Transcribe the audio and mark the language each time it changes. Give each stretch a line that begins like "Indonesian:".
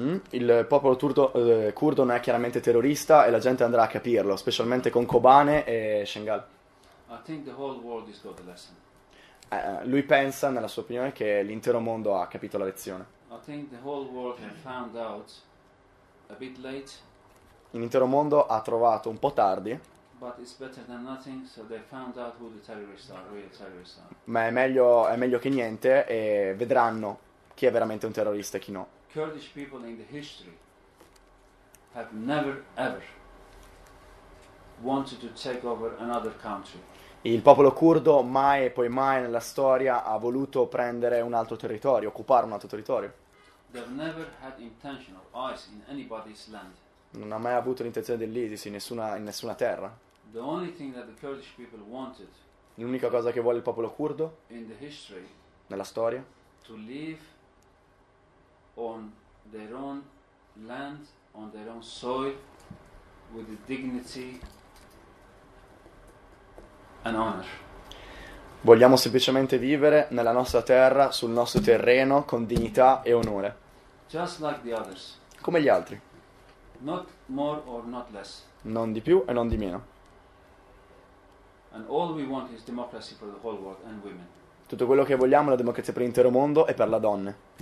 Italian: Il popolo curdo non è chiaramente terrorista e la gente andrà a capirlo, specialmente con Kobane e Shengal.
English: I think the whole world has got the lesson.
Italian: Lui pensa, nella sua opinione, che l'intero mondo ha capito la lezione.
English: I think the whole world has found out a bit late.
Italian: L'intero mondo ha trovato un po' tardi.
English: But it's better than nothing, so they found out who the terrorists are, who the terrorists are.
Italian: Ma è meglio che niente, e vedranno chi è veramente un terrorista e chi no.
English: Kurdish people in the history have never ever wanted to take over another country.
Italian: Il popolo curdo mai e poi mai nella storia ha voluto prendere un altro territorio, occupare un altro territorio.
English: They've never had intention of ISIS in anybody's land.
Italian: Non ha mai avuto l'intenzione dell'ISIS in nessuna terra.
English: The only thing that the Kurdish people wanted.
Italian: L'unica cosa che vuole il popolo curdo
English: in the history,
Italian: nella storia,
English: to live on their own land, on their own soil, with the dignity and honor.
Italian: Vogliamo semplicemente vivere nella nostra terra, sul nostro terreno, con dignità e onore.
English: Just like the others.
Italian: Come gli altri.
English: Not more or not less.
Italian: Non di più e non di meno.
English: And all we want is democracy for the whole world and women.
Italian: Tutto quello che vogliamo è la democrazia per l'intero mondo e per la donna.